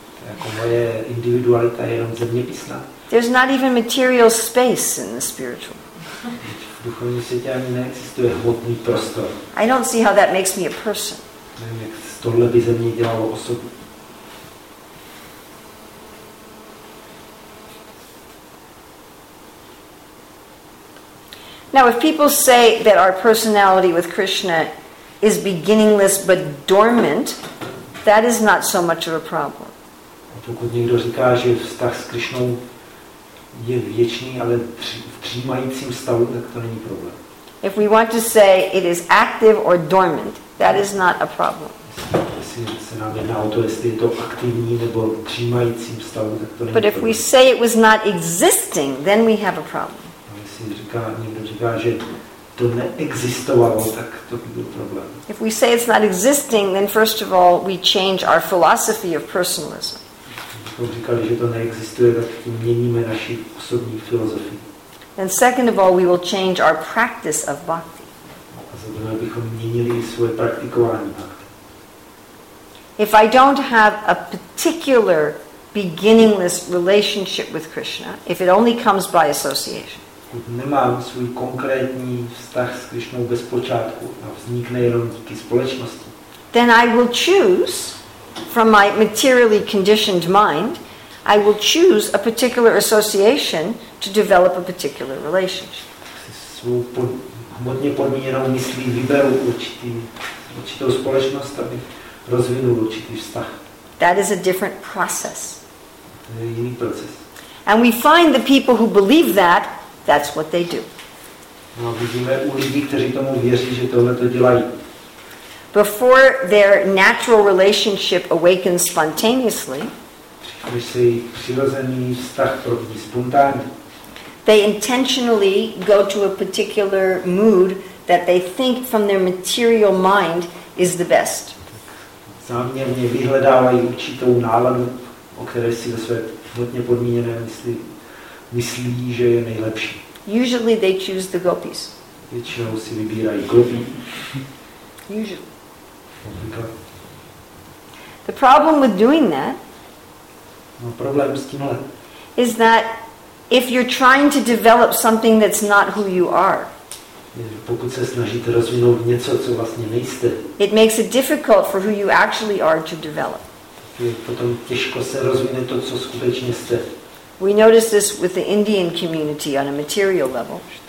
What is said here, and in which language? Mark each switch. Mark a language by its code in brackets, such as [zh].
[cs] Jako moje individualita je jenom zeměpisná. [en] There's not even material space in the spiritual. [cs] V duchovním světě ani neexistuje hmotný prostor. [en] I don't see how that makes me a person. [cs] Nevím, jak tohle by ze mě dělalo osobu. [en] Now, if people say that our personality with Krishna is beginningless but dormant, that is not so much of a problem. [cs] A pokud někdo říká, že vztah s Krišnou je věčný, ale v dřímajícím stavu, tak to není problém. [en] If we want to say it is active or dormant, that is not a problem. [cs] Jestli se nám jedná o to, jestli je to aktivní nebo v dřímajícím stavu, tak to není problém. [en] But if we say it was not existing, then we have a problem. [cs] Někdo říká, že to neexistovalo, tak to by byl problém. [en] If we say it's not existing, then first of all we change our philosophy of personalism. [cs] Když říkali, že to neexistuje, tak tím měníme naši osobní filozofii. [en] And second of all we will change our practice of bhakti. [cs] A za druhé bychom měnili svoje praktikování bhakti. [en] If I don't have a particular beginningless relationship with Krishna, if it only comes by association, [cs] nemám svůj konkrétní vztah s Krišnou bez počátku a vznikne jenom díky společnosti. [en] Then I will choose from my materially conditioned mind, I will choose a particular association to develop a particular relationship. [cs] Svou hmotně podmíněnou myslí vyberu určitou společnost, aby rozvinul určitý vztah. [en] That is a different process. [cs] To je jiný proces. [en] And we find the people who believe that, that's what they do. [cs] No, vidíme u lidí, kteří tomu věří, že tohle to dělají. [en] Before their natural relationship awakens spontaneously, [cs] když se přirozený vztah probudí spontánně, [en] they intentionally go to a particular mood that they think from their material mind is the best. [cs] Záměrně vyhledávají určitou náladu, o které si ve své hodně podmíněné mysli myslí, že je nejlepší. [en] Usually they choose the gopis. [cs] Většinou si vybírají gopi. [en] Usually. The problem with doing that, [cs] no, problém s tímhle, [en] is that if you're trying to develop something that's not who you are, [cs] pokud se snažíte rozvinout něco, co vlastně nejste, [en] it makes it difficult for who you actually are to develop. [cs] Je potom těžko se rozvine to, co skutečně jste. [en] We notice this with the Indian community on a material level.